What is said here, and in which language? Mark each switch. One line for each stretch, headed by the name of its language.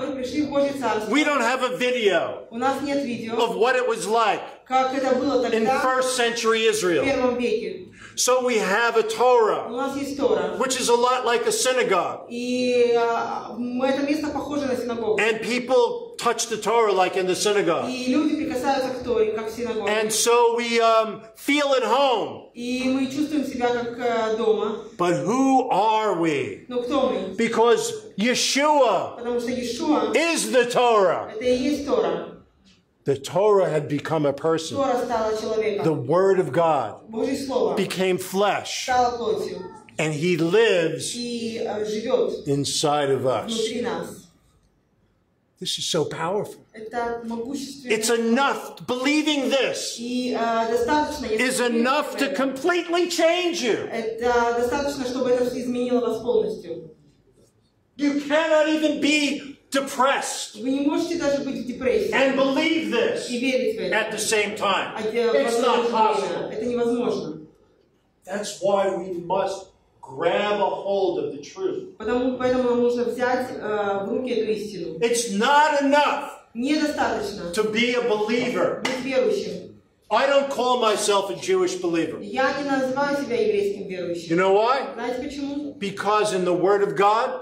Russian: Которые пришли в Божье царство.
English: We don't have a video.
Russian: У нас нет видео.
English: Of what it was like.
Russian: Как это было тогда?
English: In first century Israel.
Russian: В первом веке.
English: So we have a Torah,
Russian: У нас есть Тора,
English: which is a lot like a synagogue.
Russian: И это место похоже на синагогу.
English: And people touch the Torah like in the synagogue.
Russian: И люди прикасаются к Торе, как в синагоге.
English: And so we feel at home.
Russian: И мы чувствуем себя как дома.
English: But who are we?
Russian: Но кто мы?
English: Because Yeshua,
Russian: Потому что Иешуа
English: is the Torah.
Russian: Это и есть Тора.
English: The Torah had become a person.
Russian: Тора стала человеком.
English: The Word of God
Russian: Божье слово
English: became flesh.
Russian: Стало плотью.
English: And He lives
Russian: и, живет
English: inside of us.
Russian: Внутри нас.
English: This is so powerful.
Russian: Это могущественно.
English: It's enough. Believing this
Russian: и, достаточно, если
English: is enough to completely change you.
Russian: Это достаточно, чтобы это изменило вас полностью.
English: You cannot even be depressed.
Russian: Вы не можете даже быть в депрессии.
English: And believe this.
Russian: И верить в это.
English: At the same time. It's not possible.
Russian: Это невозможно.
English: That's why we must grab a hold of the truth.
Russian: Поэтому нам нужно взять в руки эту истину.
English: It's not enough.
Russian: Недостаточно.
English: To be a believer.
Russian: Быть верующим.
English: I don't call myself a Jewish believer.
Russian: Я не называю себя еврейским верующим.
English: You know why?
Russian: Знаете почему?
English: Because in the Word of God,